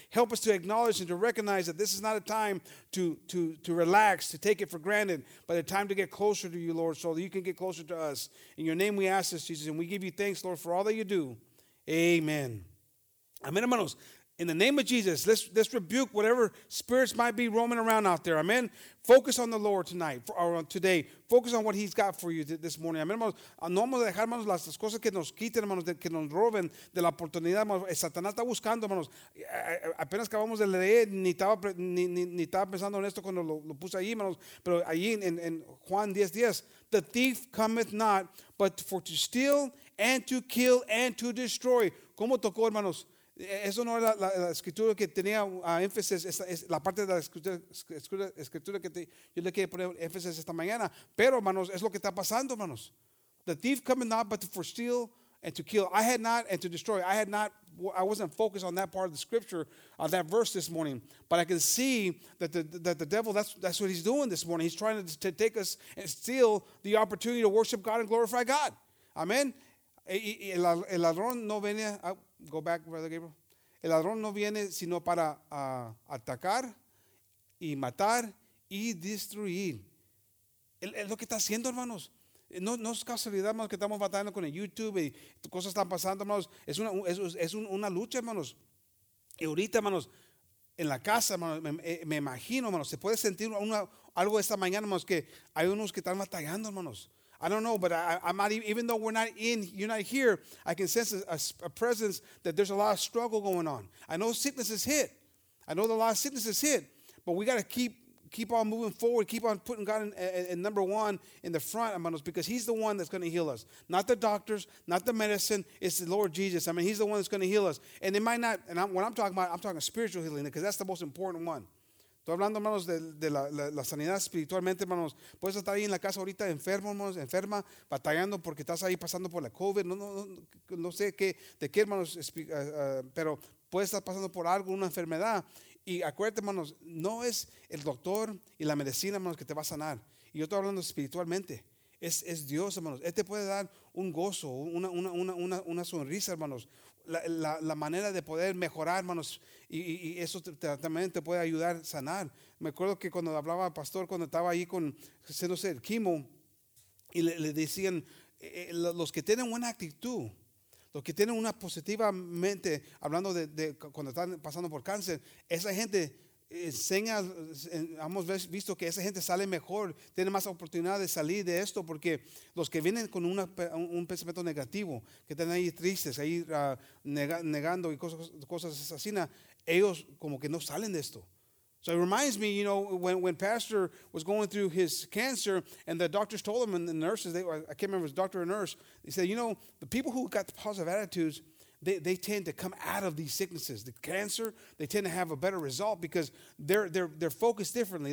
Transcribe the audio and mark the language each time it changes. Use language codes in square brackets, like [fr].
[en] Help us to acknowledge and to recognize that this is not a time to relax, to take it for granted, but a time to get closer to you, Lord, so that you can get closer to us. In your name we ask this, Jesus, and we give you thanks, Lord, for all that you do. Amen. Amen, hermanos. In the name of Jesus, let's rebuke whatever spirits might be roaming around out there. Amen. Focus on the Lord tonight, or today. Focus on what he's got for you this morning. [es] Amen, hermanos. No vamos a dejar, hermanos, las cosas que nos quiten, hermanos, que nos roben de la oportunidad, hermanos. Satanás está buscando, hermanos. Apenas acabamos de leer, ni estaba pensando en esto cuando lo puse ahí, hermanos. Pero allí en Juan 10:10, [en] the thief cometh not, but for to steal and to kill and to destroy. [es] ¿Cómo tocó, hermanos? Eso no era la escritura que tenía énfasis, es la parte de la escritura que yo le quería poner énfasis esta mañana. Pero, hermanos, es lo que está pasando, hermanos. [en] The thief coming not but for steal and to kill. I had not and to destroy. I wasn't focused on that part of the scripture, on that verse this morning. But I can see that the devil, that's what he's doing this morning. He's trying to take us and steal the opportunity to worship God and glorify God. [es] Amen. El ladrón no venía. [en] Go back, Brother Gabriel. [es] El ladrón no viene sino para atacar y matar y destruir. Es lo que está haciendo, hermanos. No es casualidad, hermanos, que estamos batallando con el YouTube y cosas están pasando, hermanos. Es una lucha, hermanos. Y ahorita, hermanos, en la casa, hermanos, me imagino, hermanos, se puede sentir algo esta mañana, hermanos, que hay unos que están batallando, hermanos. [en] I don't know, but I'm not, even though we're not in, you're not here, I can sense a presence that there's a lot of struggle going on. I know sickness is hit. But we got to keep keep on moving forward. Keep on putting God in number one in the front among us, because he's the one that's going to heal us. Not the doctors, not the medicine. It's the Lord Jesus. I mean, he's the one that's going to heal us. And it might not, and I'm talking spiritual healing, because that's the most important one. [es] Estoy hablando, hermanos, de la sanidad espiritualmente, hermanos. Puedes estar ahí en la casa ahorita enfermo, hermanos, enferma, batallando porque estás ahí pasando por la COVID. No sé qué, de qué, hermanos, pero puedes estar pasando por algo, una enfermedad. Y acuérdate, hermanos, no es el doctor y la medicina, hermanos, que te va a sanar. Y yo estoy hablando espiritualmente. Es Dios, hermanos. Él te puede dar un gozo, una sonrisa, hermanos. La manera de poder mejorar, hermanos, y eso también te puede ayudar a sanar. Me acuerdo que cuando hablaba al pastor, cuando estaba ahí con el quimo, y le decían, los que tienen buena actitud, los que tienen una positiva mente, hablando de cuando están pasando por cáncer, esa gente enseña, hemos visto que esa gente sale mejor, tiene más oportunidad de salir de esto, porque los que vienen con un pensamiento negativo, que están ahí tristes, ahí negando y cosas asesinas, ellos como que no salen de esto. [en] So it reminds me, you know, when Pastor was going through his cancer, and the doctors told him, and the nurses, I can't remember if it was doctor or nurse, they said, you know, the people who got the positive attitudes, they tend to come out of these sicknesses. The cancer, they tend to have a better result because they're focused differently.